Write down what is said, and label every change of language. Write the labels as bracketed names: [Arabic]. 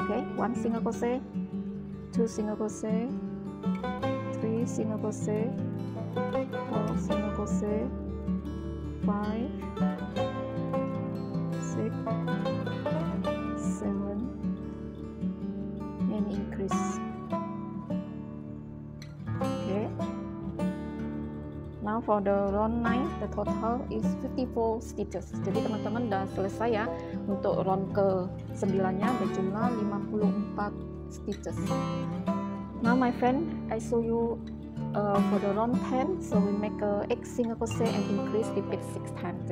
[English] Okay, 1 single crochet, 2 single crochet, 3 single crochet, 4 single crochet, 5, 6, 7, and increase. Okay, now for the round 9, the total is 54 stitches. [Indonesian] Jadi teman-teman udah selesai ya untuk round ke 9 nya berjumlah 54 stitches. [English] Now my friend, I show you for the round 10, so we make a 8 single crochet and increase, repeat 6 times.